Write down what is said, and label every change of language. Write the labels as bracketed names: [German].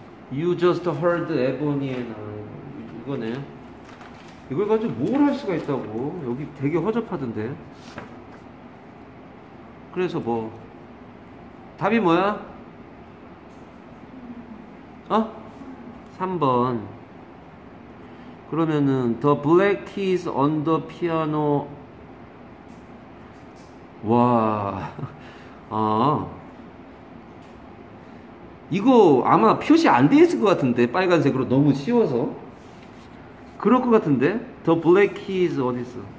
[English] You just heard Ebony and I. [Korean] 이거네. 이걸 가지고 뭘 할 수가 있다고. 여기 되게 허접하던데. 그래서 뭐. 답이 뭐야? 어? 3번. 그러면은 [English] The Black Keys on the Piano. [Korean] 와, 아, 이거 아마 표시 안 돼 있을 것 같은데, 빨간색으로 너무 쉬워서. 그럴 것 같은데, The Black Keys 어디 있어?